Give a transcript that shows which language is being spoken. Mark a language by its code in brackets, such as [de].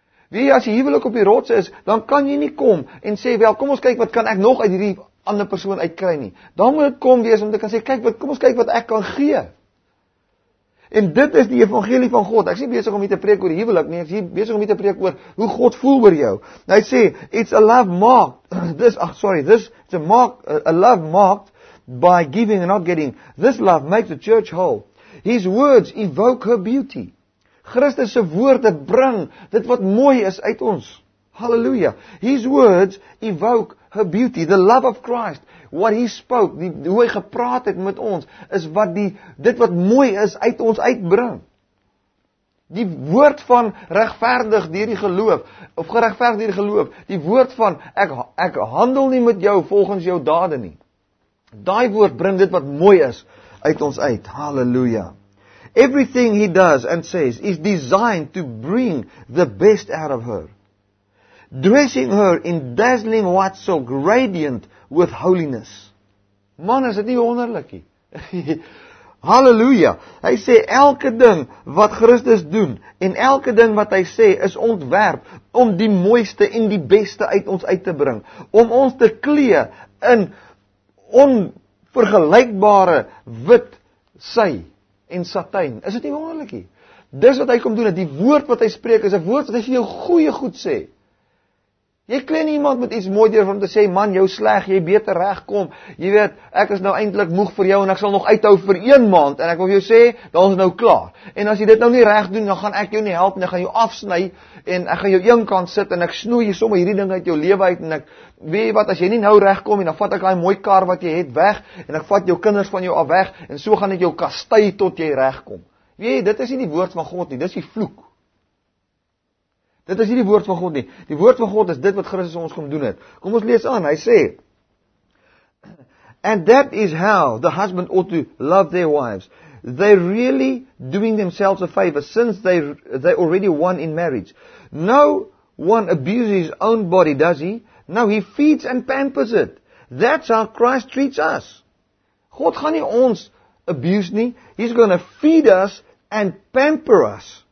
[af] Wie, as die huwelik op die rots is, dan kan jy nie kom en sê, wel, kom ons kyk wat kan ek nog uit die ander persoon uitkry nie. Dan moet het kom wees om te kan sê, kyk wat, kom ons kyk wat ek kan gee. En dit is die evangelie van God. Ek is nie besig om hier te preek oor huwelik nie, ek is besig om hier te preek oor hoe God voel oor jou. En hy sê, [en] it's a love marked, a love marked by giving and not getting. This love makes the church whole. His words evoke her beauty. [af] Christus se woorde bring dit wat mooi is uit ons. Halleluja. [en] His words evoke her beauty, the love of Christ. What he spoke, [af] hoe hy gepraat het met ons, is wat dit wat mooi is, uit ons uitbring. Die woord van regverdig deur die geloof, of geregverdig deur die geloof, die woord van, ek handel nie met jou volgens jou dade nie. Daai woord bring dit wat mooi is, uit ons uit. Halleluja. [en] Everything he does and says, is designed to bring the best out of her. Dressing her in dazzling white silk, radiant with holiness. [af] Man, is dit nie wonderlik nie? Halleluja! Hy sê, elke ding wat Christus doen, en elke ding wat hy sê, is ontwerp om die mooiste en die beste uit ons uit te bring. Om ons te klee in onvergelijkbare wit sy en satijn. Is dit nie wonderlik nie? Dis wat hy kom doen, die woord wat hy spreek, is 'n woord wat hy vir jou goeie goed sê. Jy klee nie iemand met iets mooi deur om te sê, man, jou sleg, jy beter regkom, jy weet, ek is nou eindelijk moeg vir jou, en ek sal nog uithou vir een maand, en ek wil jou sê, dan is nou klaar. En as jy dit nou nie reg doen, dan gaan ek jou nie help, en ek gaan jou afsny, en ek gaan jou een kant sit, en ek snoei jy sommer hierdie ding uit jou lewe uit, en ek, weet wat, as jy nie nou regkom, en dan vat ek die mooi kar wat jy het weg, en ek vat jou kinders van jou af weg, en so gaan ek jou kastui tot jy regkom. Weet jy, dit is nie die woord van God nie, dit is die vloek. Dit is nie die woord van God nie. Die woord van God is dit wat Christus ons kom doen het. Kom ons lees aan, hy sê, [en] and that is how the husband ought to love their wives. They really doing themselves a favor, since they already won in marriage. No one abuses his own body, does he? No, he feeds and pampers it. That's how Christ treats us. [af] God gaan nie ons abuse nie. [en] He's going to feed us and pamper us.